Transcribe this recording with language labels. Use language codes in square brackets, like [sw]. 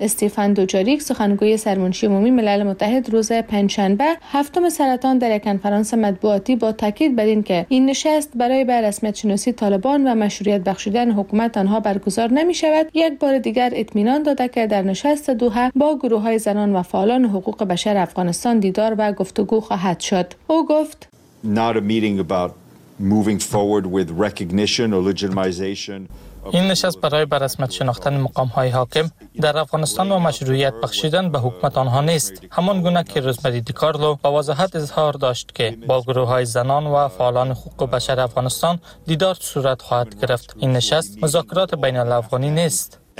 [fa] استیفن دوجاریک، سخنگوی سرمنشی عمومی ملل متحد، روز پنجشنبه 7 سرطان در یک کنفرانس مطبوعاتی با تاکید بر این که این نشست برای به رسمیت شناسی طالبان و مشروعیت بخشیدن حکومت آنها برگزار نمی شود، یک بار دیگر اطمینان داده که در نشست دوحه با گروه‌های زنان و فعالان حقوق بشر افغانستان دیدار و گفتگو خواهد شد. او گفت: [en] Not a meeting about moving forward with recognition or legitimization. [fa] این نشست برای به رسمیت شناختن مقام های حاکم در افغانستان و مشروعیت بخشیدن به حکومت آنها نیست. همان گونه که روزمری دی کارلو با وضاحت اظهار داشت که با گروه های زنان و فعالان حقوق بشر افغانستان دیدار صورت خواهد گرفت. این نشست مذاکرات بین الافغانی نیست.